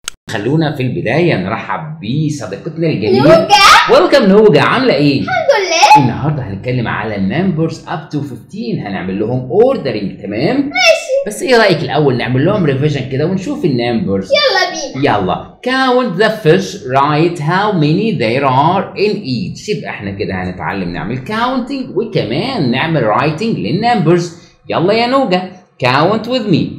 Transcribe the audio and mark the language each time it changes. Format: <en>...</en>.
<ar>خلونا في البداية نرحب بصديقتنا الجميلة نوجا. ويلكم نوجا, عاملة ايه؟ الحمد لله. النهاردة هنتكلم على</ar> <en>numbers up to 15,</en> <ar>هنعمل لهم ordering. تمام؟ ماشي. بس ايه رأيك الأول نعمل لهم revision كده ونشوف النمبرز؟ يلا بينا. يلا.</ar> <en>Count the fish, write how many there are in each.</en> <ar>يبقى احنا كده هنتعلم نعمل counting وكمان نعمل writing للنمبرز. يلا يا نوجا,</ar> <en>count with me.</en>